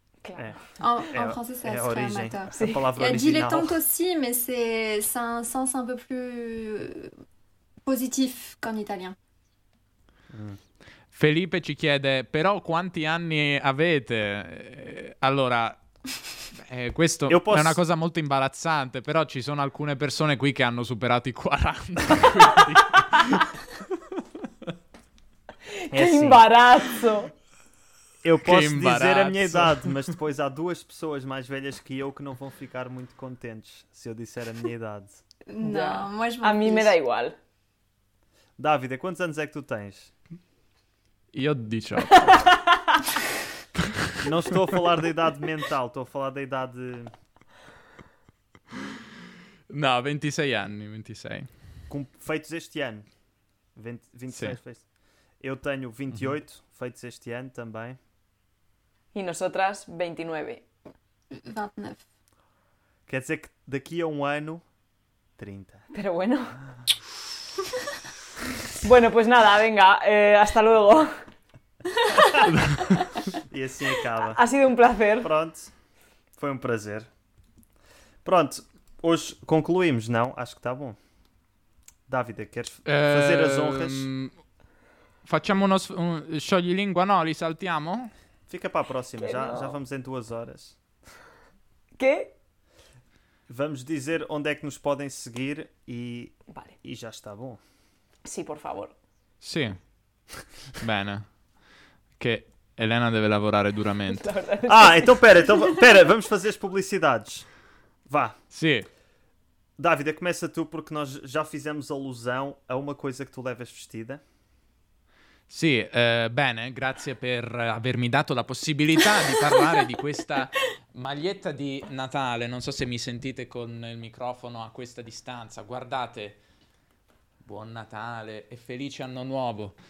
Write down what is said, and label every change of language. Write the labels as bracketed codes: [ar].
[fr] En français, ça serait amateur. Il y a dilettante aussi, mais c'est un sens un peu plus positif qu'en italien. [it] Felipe ci chiede, però quanti anni avete? Allora, questo è una cosa molto imbarazzante, però ci sono alcune persone qui che hanno superato i 40. Che imbarazzo! [pt] Eu posso dizer a minha idade, mas depois há duas pessoas mais velhas que eu que não vão ficar muito contentes se eu disser a minha idade. Não, mas a mim me dá igual. Dávida, quantos anos é que tu tens? Eu 18. Não estou a falar da idade mental, estou a falar da idade... Não, 26 anos, 26. Feitos este ano. 26 feitos. Eu tenho 28, feitos este ano também. [es] E nosotras, 29. 29. [pt] Quer dizer que daqui a um ano, 30. [es] Pero bueno. Bueno, pues nada, venga, hasta luego. [pt] E assim acaba. [es] Ha sido [pt] um prazer. Pronto, foi um prazer. Pronto, hoje concluímos, não? Acho que está bom. Dávida, queres fazer as honras? [it] Facciamo um scioglilingua, no? Li saltiamo? [pt] Fica para a próxima, já vamos em duas horas. Quê? Vamos dizer onde é que nos podem seguir e já está bom. Sim, por favor. [it] Sim. Bene. Que Helena deve lavorar duramente. [pt] Ah, então pera, vamos fazer as publicidades. Vá. Sim. Dávida, começa tu porque nós já fizemos alusão a uma coisa que tu levas vestida. [it] Sì, bene, grazie per avermi dato la possibilità di parlare di questa maglietta di Natale. Non so se mi sentite con il microfono a questa distanza. Guardate, buon Natale e felice anno nuovo.